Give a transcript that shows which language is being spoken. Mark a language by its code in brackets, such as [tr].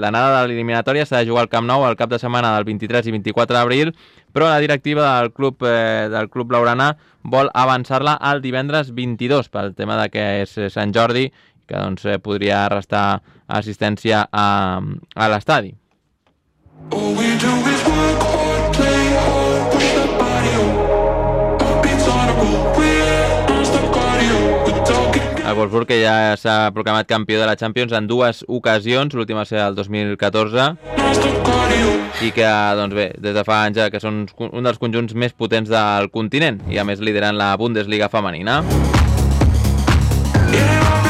[ca] L'anada de l'eliminatòria s'ha de jugar al Camp Nou el cap de setmana del 23 i 24 d'abril, però la directiva del club blaugrana vol avançar-la al divendres 22 pel tema de que és Sant Jordi, que doncs podria restar assistència a l'estadi. [en] All we do is work hard, play hard, push the body up. Our beats are the rule, we're non-stop cardio. [ca] El Wolfsburg que ja s'ha proclamat campió de la Champions en dues ocasions, l'última va ser el 2014, i que, doncs bé, des de fa anys ja que són un dels conjunts més potents del continent, i a més lideren la Bundesliga femenina. Yeah.